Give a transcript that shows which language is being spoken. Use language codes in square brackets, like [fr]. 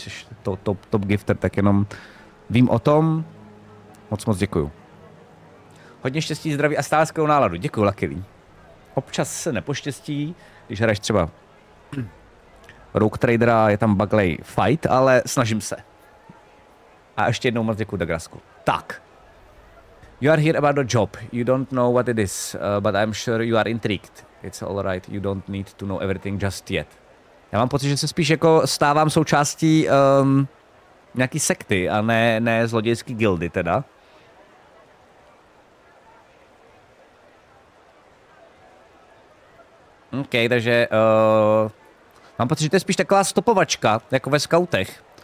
[cs] Jsi to top gifter, tak jenom vím o tom. Moc děkuju. Hodně štěstí, zdraví a stále skvělou náladu. Děkuju, Lakilý. Občas se nepoštěstí, když hraješ třeba Rogue Tradera, je tam buglej fight, ale snažím se. A ještě jednou moc děkuju, Dagrasku. [en] Tak. You are here about a job. You don't know what it is, but I'm sure you are intrigued. It's all right. You don't need to know everything just yet. [cs] Já mám pocit, že se spíš jako stávám součástí nějaký sekty a ne zlodějský gildy teda. OK, takže mám pocit, že to je spíš taková stopovačka, jako ve skautech.